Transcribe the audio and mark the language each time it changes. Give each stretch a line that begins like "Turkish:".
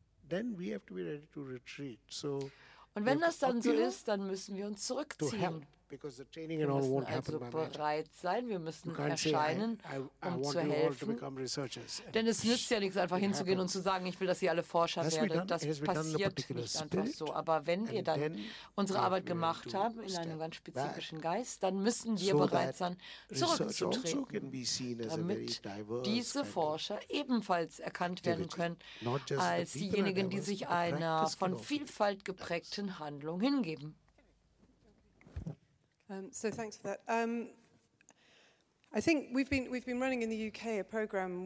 English: Then we have to be ready to retreat. So
German: und wenn das dann so ist, dann müssen wir uns zurückziehen. Wir müssen also bereit sein, wir müssen erscheinen, um zu helfen. Denn es nützt ja nichts, einfach hinzugehen und zu sagen, ich will, dass ihr alle Forscher werdet. Das passiert nicht einfach so. Aber wenn wir dann unsere Arbeit gemacht haben, in einem ganz spezifischen Geist, dann müssen wir bereit sein, zurückzutreten, damit diese Forscher ebenfalls erkannt werden können als diejenigen, die sich einer von Vielfalt geprägten Handlung hingeben.
English: So thanks for that. I think we've been running in the UK a program.